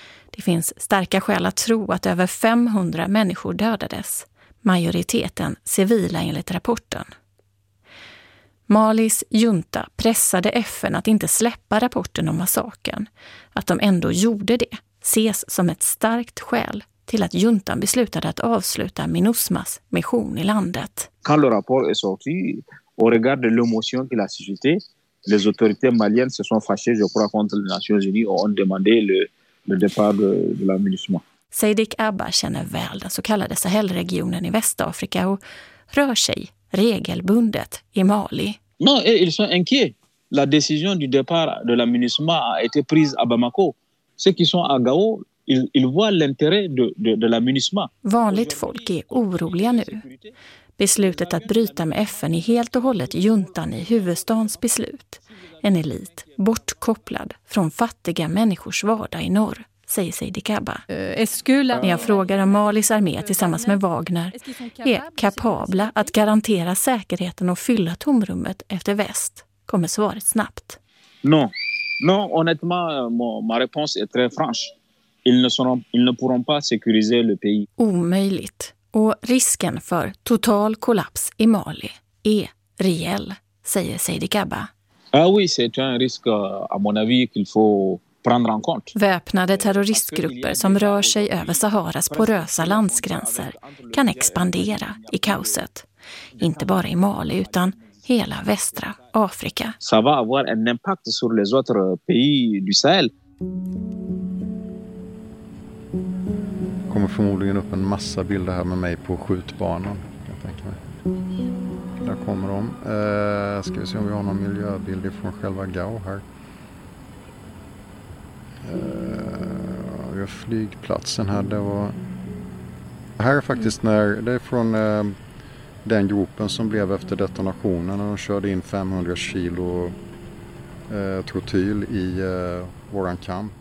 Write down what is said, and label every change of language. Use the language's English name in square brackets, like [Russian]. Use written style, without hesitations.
[Swedish] Det finns starka skäl att tro att över 500 människor dödades, majoriteten civila enligt rapporten. Malis junta pressade FN att inte släppa rapporten om massaken. Att de ändå gjorde det ses som ett starkt skäl till att juntan beslutade att avsluta Minusmas mission i landet. [French] Quand le rapport est sorti, au regard de l'émotion qui l'a suscité, les autorités maliennes se sont fâchées, je crois, contre les Nations Unies et ont demandé le départ de la Minusma. [Swedish] Seydi Kaba känner väl den så kallade Sahelregionen i Västafrika och rör sig regelbundet i Mali. [French] Non, ils sont inquiets. La décision du départ de la Minusma a été prise à Bamako. Ceux qui sont à Gao, ils voient l'intérêt de la Minusma. [Swedish] Vanligt folk är oroliga nu. Beslutet att bryta med FN är helt och hållet juntan i huvudstadens beslut. En elit bortkopplad från fattiga människors vardag i norr, säger Seydi Kaba. När jag frågar om Malis armé tillsammans med Wagner är kapabla att garantera säkerheten och fylla tomrummet efter väst, kommer svaret snabbt. [French] Non, honnêtement, ma réponse est très franche. Ils ne pourront pas sécuriser le pays. [Swedish] Omöjligt. Och risken för total kollaps i Mali är reell, säger Seydi Kaba. [French] Ah oui, c'est un risque à mon avis qu'il faut. [Swedish] Väpnade terroristgrupper som rör sig över Saharas porösa landsgränser kan expandera i kaoset. Inte bara i Mali utan hela västra Afrika. [French] Ça va avoir un impact sur les autres pays du Sahel. [Swedish] Kommer förmodligen upp en massa bilder här med mig på skjutbanan. Jag tänker mig. Där kommer de. Ska vi se om vi har någon miljöbild från själva Gao här. Flygplatsen här, det var här är faktiskt när det är från den gropen som blev efter detonationen när de körde in 500 kilo trotyl i våran kamp.